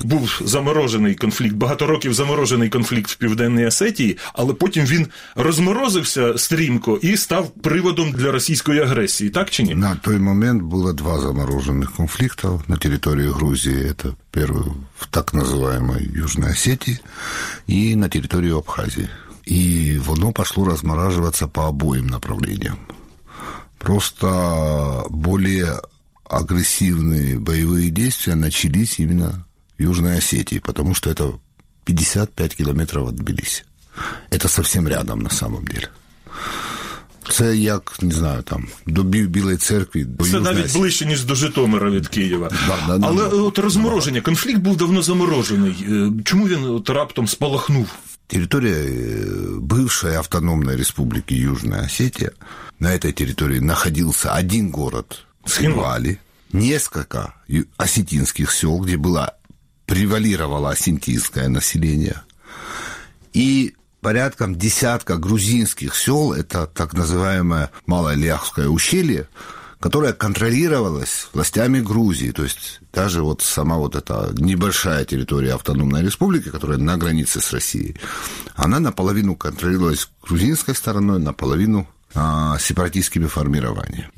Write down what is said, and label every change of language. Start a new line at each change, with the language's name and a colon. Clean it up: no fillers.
Ukrainian: Був заморожений конфлікт, багато років заморожений конфлікт в Південній Осетії, але потім він розморозився стрімко і став приводом для російської агресії, так чи ні? На той момент було два заморожених конфлікти на території Грузії. Це перший в так називаємій Южній Осетії і на території Абхазії. І воно пішло розморожуватися по обоїм направленням.
Russian: Просто більш агрессивные боевые действия начались именно в Южной Осетии, потому что это 55 километров от Тбилиси. Это совсем рядом на самом деле.
Ukrainian: Це як, не знаю, там, до Білої Церкви. До це навіть Осетії. Ближче, ніж до Житомира від Києва. Але от розмороження, конфлікт був давно заморожений. Чому він от раптом спалахнув?
Russian: Територія бывшей
Ukrainian: автономної республіки
Russian: Южная Осетия, на этой территории находился один город – Схинвали, несколько осетинских сел, где было, превалировало осетинское население, и порядком десятка грузинских сел, это так называемое Малое Ляхское ущелье, которое контролировалось властями Грузии, то есть даже вот сама вот эта небольшая территория автономной республики, которая на границе с Россией, она наполовину контролировалась грузинской стороной, наполовину сепаратистскими формированиями.